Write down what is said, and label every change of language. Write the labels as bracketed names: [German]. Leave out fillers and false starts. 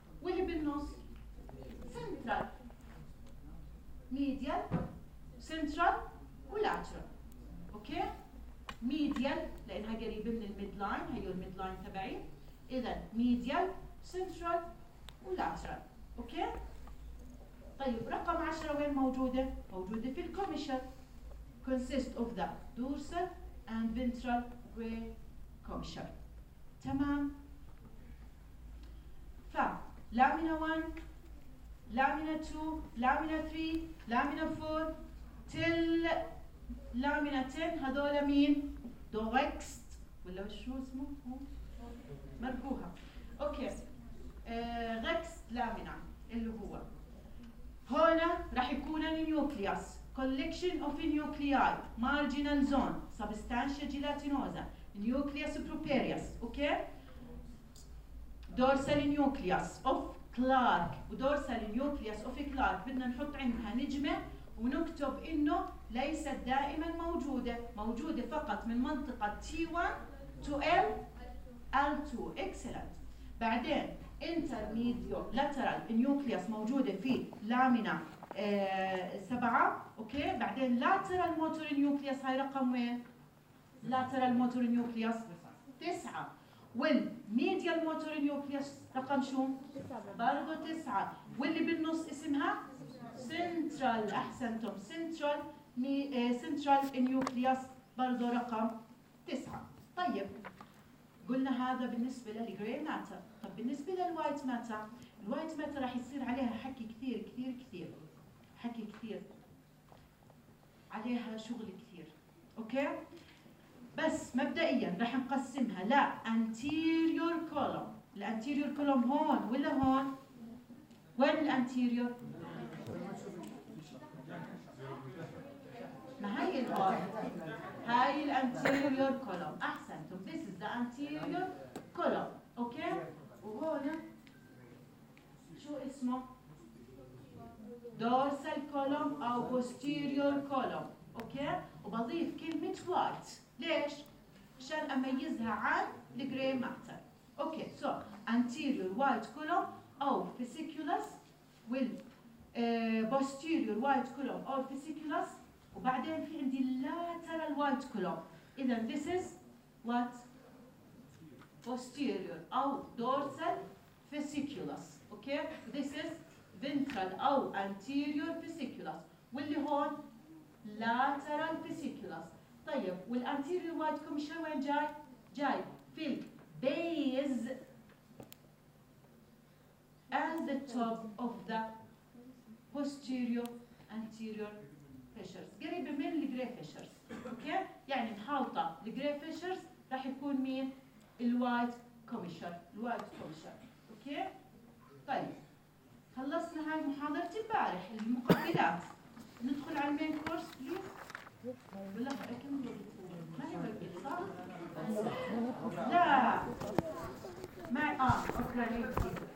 [Arabic] واللي بالنص سنترال، ميديال سنترال ولاترال. اوكي ميديال لانها قريبة من الميد لاين، هي الميد لاين تبعي. اذا ميديال سنترال ولاترال. اوكي طيب رقم 10 وين موجودة؟ موجودة في الكوميشن. [English] Consist of the dorsal and ventral gray commissure. [Arabic] تمام. ف lamina 1 lamina 2 lamina 3 lamina 4 [English] till lamina 10 [Arabic] هذول مين؟ دوغكست ولا شو اسمه؟ مرقوها. اوكي غكست لامينا اللي هو هنا راح يكون النيوكلياس. [English] Collection of nuclei, marginal zone, substantia gelatinosa, nucleus properius, okay? Dorsal nucleus of Clark, dorsal nucleus of Clark. [Arabic] بدنا نحط عندها نجمة ونكتب إنه ليست دائما موجودة، موجودة فقط من منطقة [English] T1 to L2. Excellent. [Arabic] بعدين [English] intermediate lateral nucleus [Arabic] موجودة في لامينا سبعة. اوكي بعدين [English] lateral motor nucleus [Arabic] هاي رقم وين؟ lateral motor nucleus 9. والميديال motor nucleus رقم شو؟ 9 برضو 9. واللي بالنص اسمها central. احسنتم [English] central central nucleus [Arabic] برضو رقم 9. طيب قلنا هذا بالنسبة للgray matter. طب بالنسبة لل [English] white matter، [Arabic] الwhite matter راح يصير عليها حكي كثير كثير كثير، حكي كثير عليها شغل كثير. اوكي بس مبدئيا راح نقسمها لا anterior column. الانتيريور كولوم هون ولا هون؟ وين الانتيريور؟ ما هي الارض، هاي الانتيريور كولوم. احسنتم [English] this is the anterior column. [Arabic] اوكي وهون شو اسمه؟ dorsal column أو posterior column. أوكي وبضيف كلمة white. ليش؟ عشان أميزها عن [English] the gray matter. Okay so anterior white column أو fasciculus with posterior white column أو fasciculus. [Arabic] وبعدين في عندي lateral white column. [English] إذن this is what posterior أو dorsal fasciculus. Okay this is ventral أو anterior fasciculus. [Arabic] واللي هون lateral fasciculus. [English] طيب والanterior white commissure [Arabic] وين جاي؟ جاي في [English] ال base and the top of the posterior anterior fissures. [Arabic] قريبة من ال [English] gray fissures. [Arabic] اوكي يعني محاوطة ال gray fissures راح يكون مين؟ ال white commissure. اوكي طيب خلصنا هاي محاضرة البارح المقابلات. ندخل على المين كورس [English] Please. [Arabic] ولا اكمل ما يبقى صح؟ لا ما شكرا ليكي.